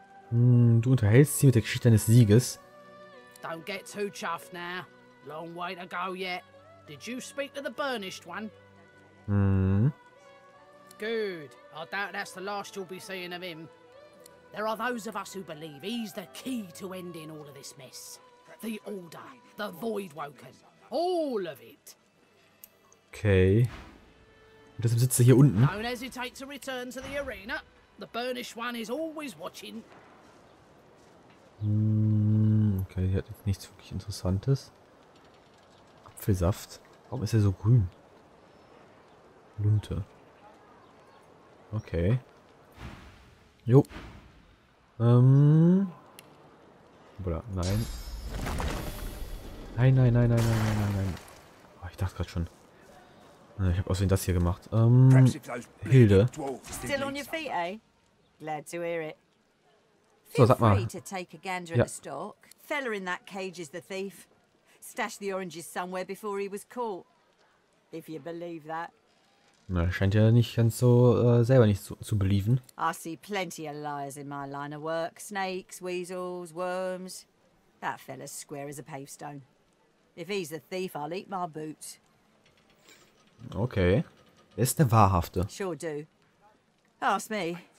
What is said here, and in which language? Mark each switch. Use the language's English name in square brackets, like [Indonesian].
[German] Du unterhältst sie mit der Geschichte deines Sieges. [English] Don't get too chuffed now. Long way to go yet. Did you speak to the burnished one? Good. I doubt that's the last you'll be seeing of him. There are those of us who believe he's the key to ending all of this mess. The Order, the Voidwoken, all of it. Okay. [German] Und deshalb sitzt er hier unten. [English] Don't hesitate to return to the arena. The burnished one is always watching. [German] Okay, hier hat jetzt nichts wirklich Interessantes. Apfelsaft. Warum ist er so grün? Lunte. Okay. Jo. Oder nein. Nein, nein, nein, nein, nein, nein, nein, nein. Oh, ich dachte gerade schon. Ich habe außerdem das hier gemacht. Hilde. [English] Still on your feet, eh? Glad to hear it. [German] So, sag mal. [English] To take a gander at the stock. Feller in that cage is the thief. Stashed the oranges somewhere before he was caught. If you believe that. [German] Na, scheint ja nicht ganz so selber nicht zu believen. [English] I see plenty of liars in my line of work. Snakes, weasels, worms. That fella's square as a pavestone. If he's a thief, I'll eat my boots. [German] Okay. Er ist der Wahrhafte. [English] Sure do. Ask me.